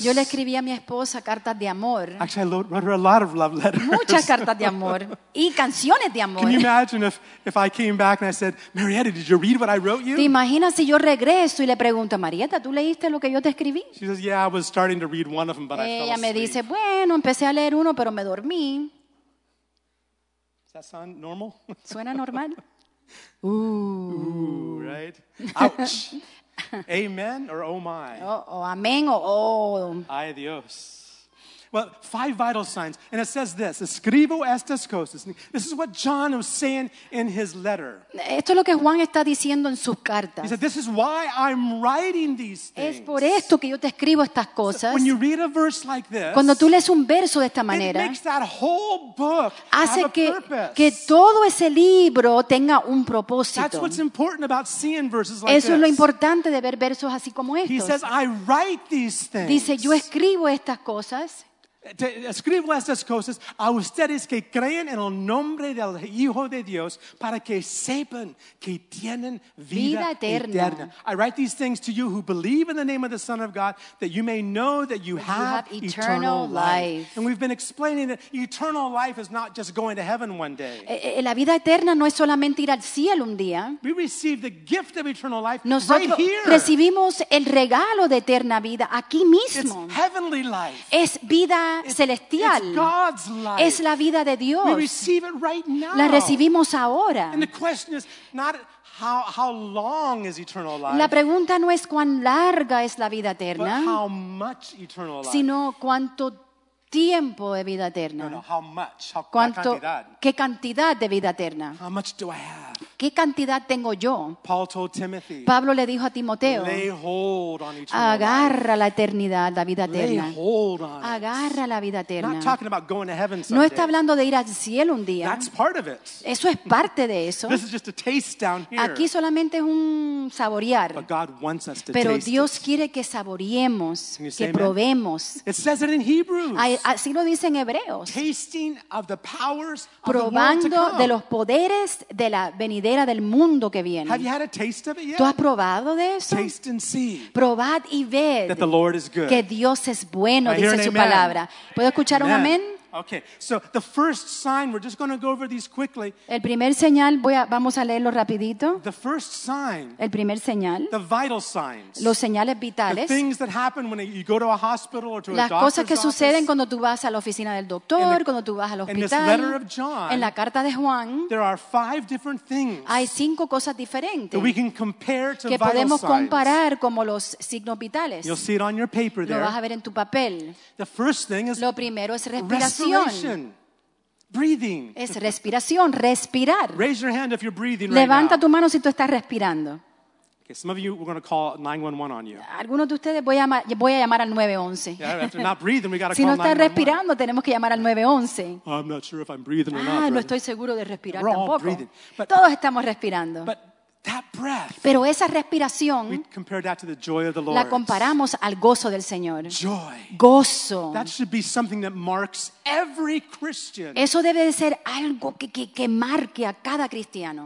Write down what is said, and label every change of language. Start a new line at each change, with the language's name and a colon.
Spanish: Yo le escribí a mi esposa cartas de amor.
English: Actually, I wrote her a lot of love letters.
Spanish: Muchas cartas de amor y canciones de amor.
English: Can you imagine if I came back and I said, Marietta, did you read what I wrote you?
Spanish: ¿Te imaginas si yo regreso y le pregunto a Marietta, ¿tú leíste lo que yo te escribí?
English: She says, yeah, I was starting to read one of them, but
Spanish: ella
English: I fell asleep.
Spanish: Ella me dice, bueno, empecé a leer uno, pero me dormí.
English: Does that sound normal?
Spanish: ¿Suena normal?
English: Ooh, right? Ouch. Amen or oh my?
Spanish: Oh, amen o oh. Ay Dios.
English: Well, five vital signs. And it says this,
Spanish: escribo estas cosas.
English: This is what John was saying in his letter.
Spanish: Esto es lo que Juan está diciendo en sus cartas.
English: He said, this is why I'm writing these things.
Spanish: Es por esto que yo te escribo estas cosas.
English: So when you read a verse like this,
Spanish: cuando tú lees un verso de esta manera,
English: it makes that whole book
Spanish: hace
English: have a purpose.
Spanish: Que todo ese libro tenga un propósito.
English: That's what's important about seeing verses like this.
Spanish: Eso es lo importante de ver versos así como estos.
English: He says, I write these things.
Spanish: Dice, yo escribo estas cosas. Escribo estas cosas a ustedes que creen en el nombre del Hijo de Dios para que sepan que tienen vida eterna.
English: I write these things to you who believe in the name of the Son of God that you may know that you have eternal life. And we've been explaining that eternal life is not just going to heaven one day.
Spanish: La vida eterna no es solamente ir al cielo un día.
English: We receive the gift of eternal life
Spanish: nosotros
English: right here.
Spanish: Nosotros recibimos el regalo de eterna vida aquí mismo.
English: It's heavenly life.
Spanish: Es vida eterna. celestial.
English: It's God's life.
Spanish: Es la vida de Dios.
English: We receive it right now.
Spanish: La recibimos ahora.
English: And the question is not how long is eternal life?
Spanish: La pregunta no es cuán larga es la vida eterna,
English: but how much eternal life?
Spanish: Sino cuánto tiempo de vida eterna.
English: No, how much? How
Spanish: cuánto, cantidad? ¿Qué cantidad de vida eterna?
English: How much do I have?
Spanish: ¿Qué cantidad tengo yo?
English: Paul told Timothy,
Spanish: Pablo le dijo a Timoteo,
English: lay hold on eternal life.
Spanish: Agarra la eternidad, la vida eterna.
English: Lay hold on.
Spanish: Agarra la vida eterna.
English: Not talking about going to heaven someday.
Spanish: No está hablando de ir al cielo un día.
English: That's part of it.
Spanish: Eso es parte de eso.
English: This is just a taste down here.
Spanish: Aquí solamente es un saborear.
English: But God wants us to
Spanish: pero
English: taste
Spanish: Dios
English: it.
Spanish: Quiere que saboreemos, que probemos.
English: It says it in Hebrews.
Spanish: Así lo dice en Hebreos.
English: Tasting of the powers of
Spanish: probando
English: the world
Spanish: de los poderes de la venidera del mundo que viene.
English: Have you had a taste of it yet?
Spanish: ¿Tú has probado de eso?
English: Taste and see.
Spanish: Probad y ved
English: that the Lord is good.
Spanish: Que Dios es bueno, I dice su amen. Palabra. ¿Puedo escuchar amen. Un amén?
English: Okay. So the first sign, we're just going to go over these quickly.
Spanish: El primer señal, vamos a leerlo rapidito.
English: The first sign.
Spanish: El primer señal.
English: The vital signs.
Spanish: Los señales vitales.
English: The things that happen when you go to a hospital or to a doctor's
Spanish: office. Las cosas que suceden
English: office.
Spanish: Cuando tú vas a la oficina del doctor, cuando tú vas al hospital.
English: In this letter of John.
Spanish: En la carta de Juan.
English: There are five different things.
Spanish: Hay cinco cosas diferentes.
English: That we can compare to vital
Spanish: signs. Que podemos comparar como los signos vitales.
English: You'll see it on your paper there.
Spanish: Lo vas a ver en tu papel.
English: The first thing is.
Spanish: Lo primero es respiración.
English: Breathing.
Spanish: Es respiración, respirar.
English: Raise your hand if you're breathing right now.
Spanish: Levanta tu mano si tú estás respirando.
English: Okay, some of you we're going to call 911 on you.
Spanish: Algunos de ustedes voy a llamar al 911.
English: Yeah, after not breathing, we got to call
Spanish: 911. Si no estás respirando, tenemos que llamar al 911.
English: I'm not sure if I'm breathing or not. Ah, right?
Spanish: No estoy seguro de respirar
English: we're
Spanish: tampoco.
English: All breathing. But,
Spanish: todos estamos respirando.
English: But that breath.
Spanish: Pero esa respiración.
English: We compare that to the joy of the Lord.
Spanish: La comparamos al gozo del Señor.
English: Joy.
Spanish: Gozo.
English: That should be something that marks every Christian.
Spanish: Eso debe de ser algo que marque a cada cristiano.